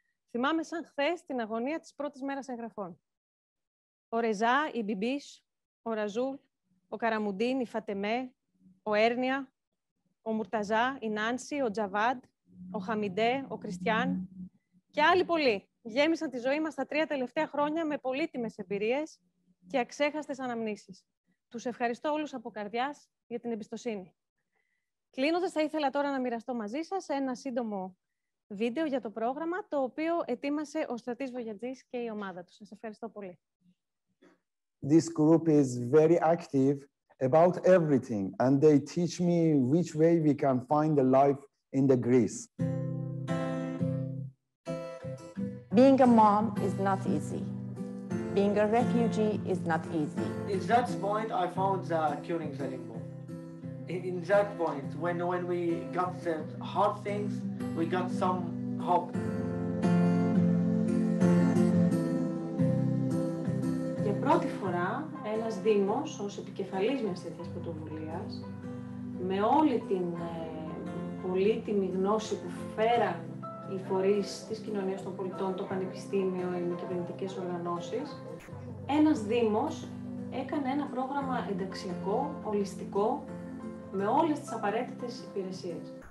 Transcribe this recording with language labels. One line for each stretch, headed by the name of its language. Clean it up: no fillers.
Greek: Θυμάμαι σαν χθες την αγωνία της πρώτης μέρας εγγραφών. Ο Ρεζά, η Μπιμπίς, ο Ραζούλ, ο Καραμουντίν, η Φατεμέ, ο Έρνια, ο Μουρταζά, η Νάνση, ο Τζαβάντ, ο Χαμιντέ, ο Κριστιαν και άλλοι πολλοί γέμισαν τη ζωή μας τα τρία τελευταία χρόνια με πολύτιμες εμπειρίες και αξέχαστες αναμνήσεις. Τους ευχαριστώ όλους από καρδιάς για την εμπιστοσύνη. Κλείνοντας, θα ήθελα τώρα να μοιραστώ μαζί σας ένα σύντομο βίντεο για το πρόγραμμα, το οποίο ετοίμασε ο Στρατής Βογιατζής και η ομάδα του. Σας ευχαριστώ πολύ.
English: This group is very active about everything and they teach me which way we can find the life in the Greece. Being a mom is not easy. Being a refugee is not easy. In that point, I found the curing the limbo. In that point, when we got the hard things, we got some hope.
Greek: Για πρώτη φορά, ένας Δήμος ως επικεφαλής μιας τέτοιας πρωτοβουλίας, με όλη την πολύτιμη γνώση που φέραν οι φορείς της κοινωνίας των πολιτών, το πανεπιστήμιο, οι μη κυβερνητικές οργανώσεις, ένας Δήμος έκανε ένα πρόγραμμα ενταξιακό, ολιστικό, με όλες τις απαραίτητες υπηρεσίες.